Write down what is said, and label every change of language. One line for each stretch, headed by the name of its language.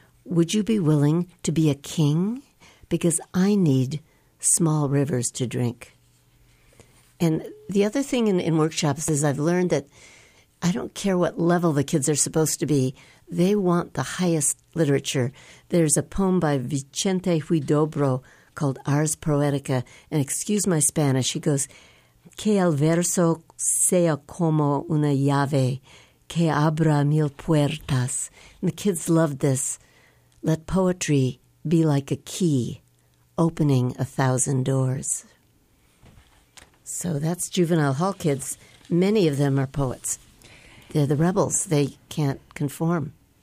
English: Would you be willing to be a king? Because I need small rivers to drink. And the other thing in workshops is I've learned that I don't care what level the kids are supposed to be. They want the highest literature. There's a poem by Vicente Huidobro called Ars Poetica. And excuse my Spanish. He goes,
Spanish: Que el verso sea como una llave, que abra mil puertas.
English: And the kids love this. Let poetry be like a key opening a thousand doors. So that's Juvenile Hall kids. Many of them are poets. They're the rebels. They can't conform.